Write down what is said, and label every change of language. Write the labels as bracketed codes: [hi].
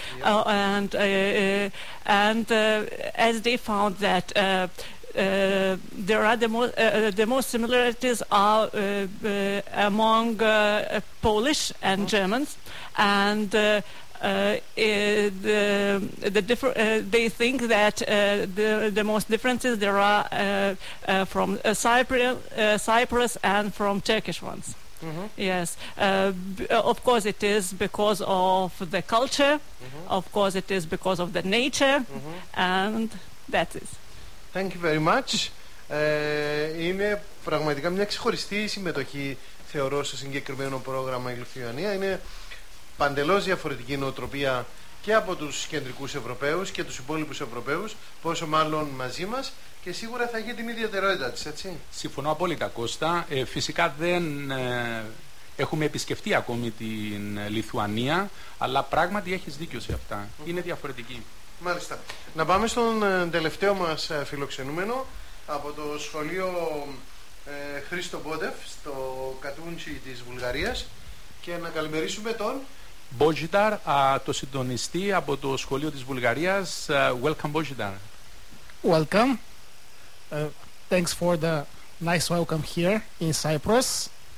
[en] Yeah. and as they found that there are the most similarities are among Polish and Germans, and they think that the most differences there are from Cyprus and from Turkish ones. Mm-hmm. Yes, of course it is because of the culture. Mm-hmm. Of course it is because of the nature. Mm-hmm. And that is. Thank you very much. [el] Είναι πραγματικά μια ξεχωριστή συμμετοχή, θεωρώ, στο συγκεκριμένο πρόγραμμα η Λιθουανία. Είναι παντελώς διαφορετική νοοτροπία και από τους κεντρικούς Ευρωπαίους και τους υπόλοιπους Ευρωπαίους, πόσο μάλλον μαζί μας, και σίγουρα θα έχει την ιδιαιτερότητα της, έτσι. Συμφωνώ απόλυτα, Κώστα. Φυσικά δεν έχουμε επισκεφτεί ακόμη την Λιθουανία, αλλά πράγματι έχεις δίκιο σε αυτά. Mm-hmm. Είναι διαφορετική. Μάλιστα. Να πάμε στον τελευταίο μας φιλοξενούμενο από το σχολείο Χρήστο Μπότεφ στο Κατούντσι της Βουλγαρίας και να καλημερίσουμε τον Μπότζιταρ, το συντονιστή από το σχολείο της Βουλγαρίας. [en] Welcome, Μπότζιταρ. Welcome. Thanks for the nice welcome here in Cyprus.